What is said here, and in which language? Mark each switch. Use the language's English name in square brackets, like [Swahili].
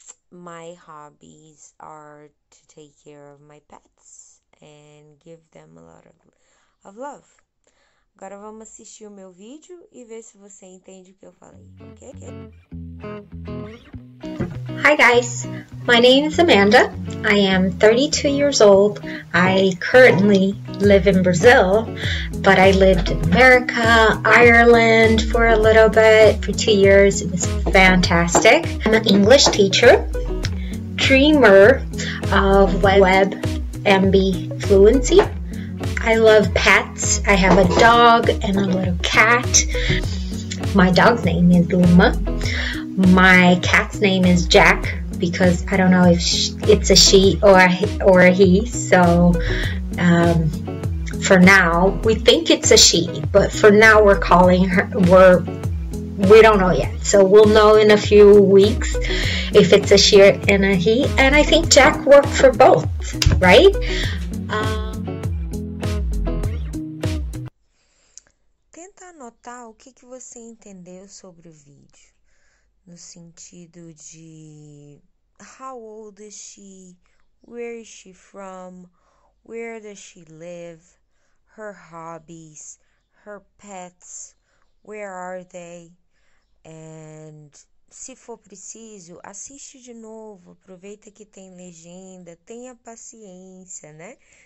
[English] My hobbies are to take care of my pets and give them a lot of love. [Portuguese] Agora vamos assistir o meu vídeo e ver se você entende o que eu falei, ok? [English] Hi guys, my name is Amanda. I am 32 years old. I currently live in Brazil, but I lived in America, Ireland for a little bit, for 2 years. It was fantastic. I'm an English teacher, dreamer of WebMD fluency. I love pets. I have a dog and a little cat. My dog's name is Luma. My cat's name is Jack, because I don't know if it's a she or a he, so for now, we think it's a she, but for now we're calling her, we don't know yet, so we'll know in a few weeks if it's a she and a he, and I think Jack worked for both, right? [Portuguese] Tenta anotar o que você entendeu sobre o vídeo. No sentido de [English] how old is she, where is she from, where does she live, her hobbies, her pets, where are they, and [Portuguese] se for preciso, assiste de novo, aproveita que tem legenda, tenha paciência, né?